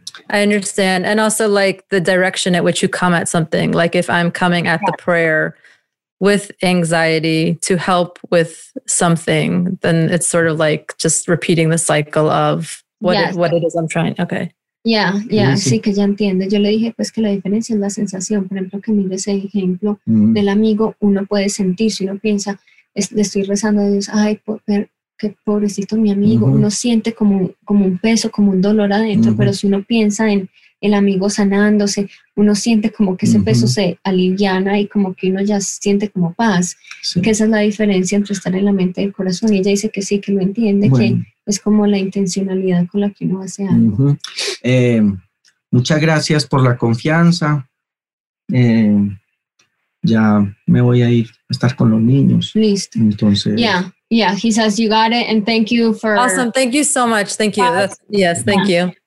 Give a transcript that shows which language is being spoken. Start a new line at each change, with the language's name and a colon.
English: I understand. And also like the direction at which you come at something. Like if I'm coming at the prayer with anxiety to help with something, then it's sort of like just repeating the cycle of what it is I'm trying. Okay. Yeah, yeah.
Spanish: Sí, que ya entiende. Yo le dije pues que la diferencia es la sensación. Por ejemplo, que mire ese ejemplo del amigo, uno puede sentir, si uno piensa, le estoy rezando a Dios, ay, qué pobrecito mi amigo. Uh-huh. Uno siente como un peso, como un dolor adentro, uh-huh. pero si uno piensa en el amigo sanándose, uno siente como que ese uh-huh. peso se aliviana y como que uno ya siente como paz. Sí. Que esa es la diferencia entre estar en la mente y el corazón. Y ella dice que sí, que lo entiende, bueno. que es como la intencionalidad con la que uno hace algo. Uh-huh. Muchas gracias por la confianza. Ya me voy a ir a estar con los niños. Listo. Entonces.
English: Yeah, he says you got it and thank you for. Awesome, thank you so much. Thank you. Yes, thank you.